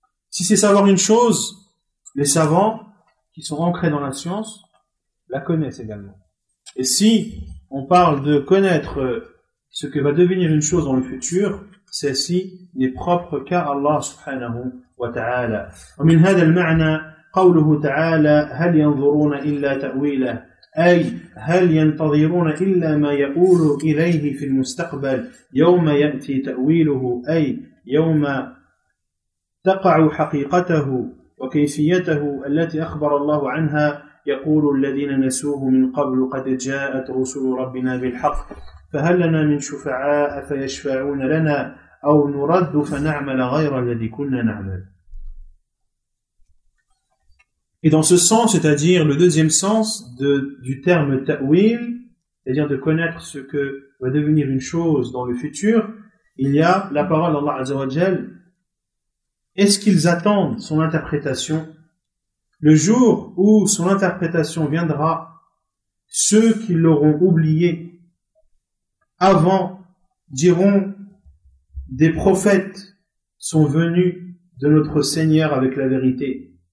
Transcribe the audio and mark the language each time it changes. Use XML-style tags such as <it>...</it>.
<fr>Si c'est savoir une chose, les savants qui sont ancrés dans la science la connaissent également. Et si on parle de connaître ce que va devenir une chose dans le futur, celle-ci n'est propre qu'à Allah subhanahu wa ta'ala.</fr> <ar>Et من هذا المعنى قوله تعالى هل ينظرون إلا تأويله أي هل ينتظرون إلا ما يقول إليه في المستقبل يوم يأتي تأويله أي يوم تقع حقيقته وكيفيته التي أخبر الله عنها يقول الذين نسوه من قبل قد جاءت رسل ربنا بالحق فهل لنا من شفعاء فيشفعون لنا أو نرد فنعمل غير الذي كنا نعمل.</ar> <fr>Et dans ce sens, c'est-à-dire le deuxième sens de, du terme ta'wil, c'est-à-dire de connaître ce que va devenir une chose dans le futur, il y a la parole d'Allah Azza wa Jal. Est-ce qu'ils attendent son interprétation? Le jour où son interprétation viendra, ceux qui l'auront oublié avant diront « Des prophètes sont venus de notre Seigneur avec la vérité ».</fr>